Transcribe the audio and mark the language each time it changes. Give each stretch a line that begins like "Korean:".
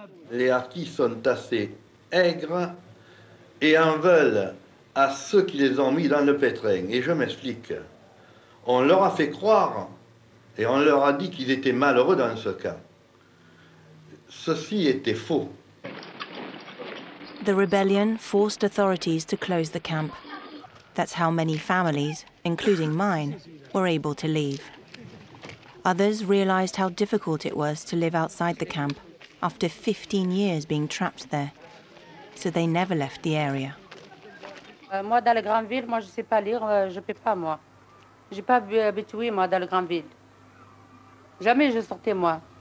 French: Les harkis sont assez aigres et en veulent à ceux qui les ont mis dans le pétrin. Et je m'explique. On leur a fait croire et on leur a dit qu'ils étaient malheureux dans ce cas. Ceci était faux.
English: The rebellion forced authorities to close the camp. That's how many families, including mine, were able to leave. Others realized how difficult it was to live outside the camp after 15 years being trapped there. So they never left the area.
French: Moi, dans la grande ville, moi, je sais pas lire, je peux pas, moi. J'ai pas habitué, moi, dans la grande ville. Jamais je sortais, moi.